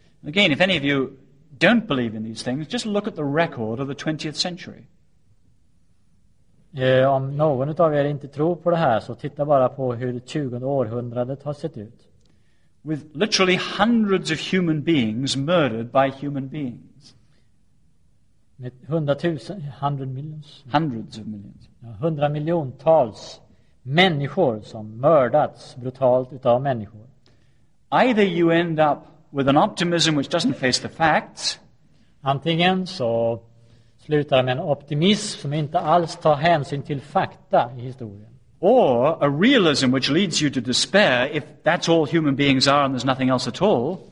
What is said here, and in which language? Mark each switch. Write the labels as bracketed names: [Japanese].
[English] Again, if any of you don't believe in these things, just look at the record of the 20th century. [Swedish] Om någon av er inte tror på det här, så titta bara på hur 20 århundradet har sett ut. [English] With literally hundreds of human beings murdered by human beings. [Swedish] Med hundra miljoner ja, hundra miljontals människor som mördats brutalt utav människor. [English] Either you end up with an optimism which doesn't face the facts. [Swedish] Antingen så slutar med en optimism som inte alls tar hänsyn till fakta i historien. [English] or a realism which leads you to despair if that's all human beings are and there's nothing else at all.